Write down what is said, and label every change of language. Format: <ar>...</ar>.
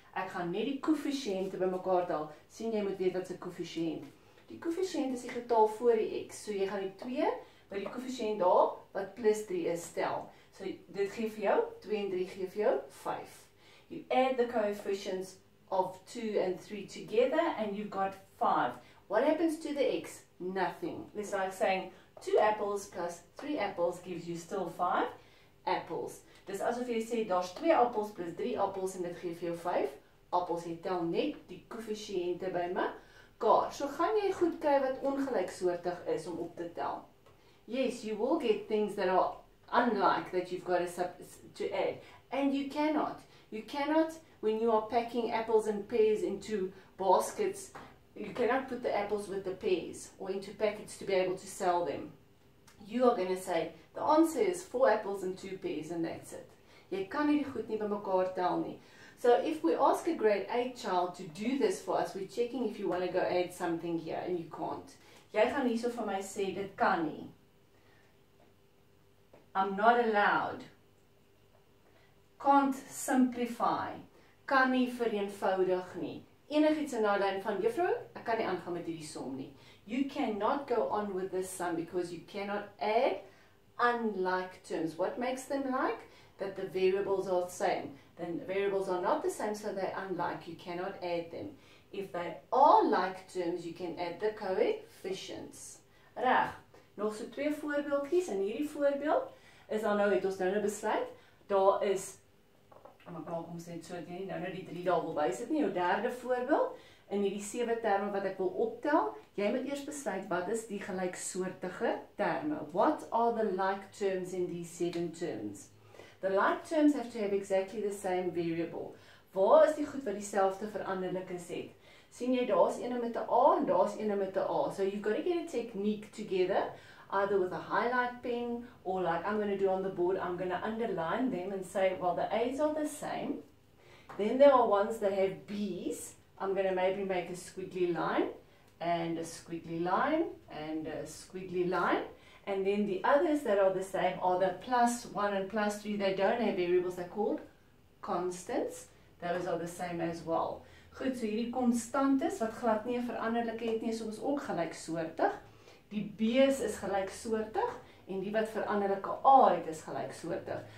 <af>Ek gaan net die koëffisiënte bymekaar tel. Sien jy moet weet wat 'n koëffisiënt. Die koëffisiënt is die getal voor die x. So jy gaan die 2 by die koëffisiënt daar wat plus 3 is stel. So dit gee vir jou 2 en 3 gee vir jou 5.</af> <en>You add the coefficients of 2 and 3 together and you've got 5. What happens to the x? Nothing. It's like saying 2 apples plus 3 apples gives you still 5 apples.</en> <af>Dis asof jy sê daar's 2 appels plus 3 appels en dit gee vir jou 5 appels. Jy tel net die koëffisiënte by mekaar. So gaan jy goed kry wat ongelyksoortig is om op te tel.</af> <en>Yes, you will get things that are unlike that you've got to add. And you cannot. You cannot, when you are packing apples and pears into baskets, You cannot put the apples with the pears or into packets to be able to sell them. You are going to say, the answer is 4 apples and 2 pears and that's it.</en> <af>Jy kan nie goed nie by mekaar tel nie.</af> <en>So if we ask a grade 8 child to do this for us, we're checking if you want to go add something here and you can't.</en> <af>Jy gaan hierso vir my sê, dit kan nie.</af> <en>I'm not allowed. Can't simplify.</en> <af>Kan nie vereenvoudig nie. Enigiets in die lyn van juffrou, ek kan nie aangaan met hierdie som nie.</af> <en>You cannot go on with this sum because you cannot add unlike terms. What makes them like? That the variables are the same. Then the variables are not the same, so they're unlike. You cannot add them. If they are like terms, you can add the coefficients.</en> <af>Reg, nog so 2 voorbeeldjies. In hierdie voorbeeld is dan nou, het ons nou nou besluit, daar is, maar praat ons net so, nie, nou nou die 3 daar wil wys het nie, jou derde voorbeeld, in hierdie 7 terme wat ek wil optel, jy moet eers besluit, wat is die gelyksoortige terme?</af> <en>What are the like terms in these 7 terms? The like terms have to have exactly the same variable.</en> <af>Waar is die goed wat dieselfde veranderlikes het? Sien jy, daar is ene met 'n A en daar is ene met 'n A.</af> <en>So you've got to get a technique together, either with a highlight pen, or like I'm going to do on the board, I'm going to underline them and say, well, the A's are the same. Then there are ones that have B's. I'm going to maybe make a squiggly line, and a squiggly line, and a squiggly line. And then the others that are the same are the plus 1 and plus 3. They don't have variables. They're called constants. Those are the same as well.</en> <af>Goed, so hierdie konstantes, wat glad nie 'n veranderlike het nie, is ons ook gelyksoortig. Die B's is gelyksoortig, en die wat veranderlike A het, is gelyksoortig.</af>